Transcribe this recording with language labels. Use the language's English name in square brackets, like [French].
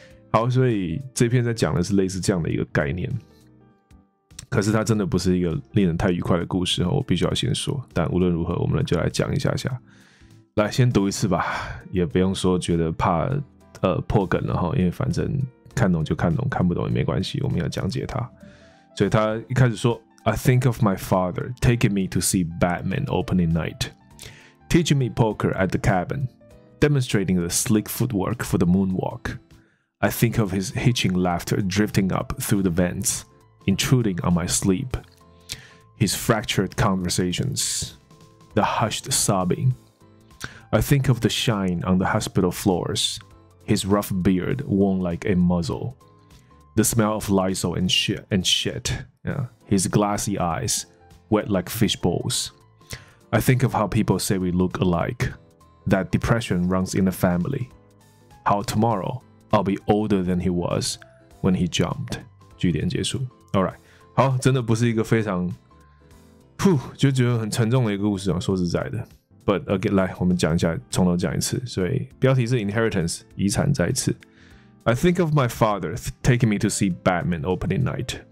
[Chinese] 好，所以这篇在讲的是类似这样的一个概念。可是它真的不是一个令人太愉快的故事，我必须要先说。但无论如何，我们就来讲一下。来，先读一次吧，也不用说觉得怕破梗了哈，因为反正看懂就看懂，看不懂也没关系，我们要讲解它。所以他一开始说 [English] ，I think of my father taking me to see Batman opening night, teaching me poker at the cabin, demonstrating the slick footwork for the moonwalk. I think of his hitching laughter drifting up through the vents, intruding on my sleep. His fractured conversations, the hushed sobbing. I think of the shine on the hospital floors, his rough beard worn like a muzzle, the smell of Lysol and shit, yeah. His glassy eyes, wet like fish bowls. I think of how people say we look alike, that depression runs in the family, how tomorrow I'll be older than he was when he jumped. [Chinese] 句点结束。 [English] All right. [Chinese] 好，真的不是一个非常，就觉得很沉重的一个故事啊，说实在的。 [English] But again, [Chinese] 来，我们讲一下，从头讲一次。所以标题是 Inheritance， 遗产再一次。 [English] I think of my father taking me to see Batman opening night。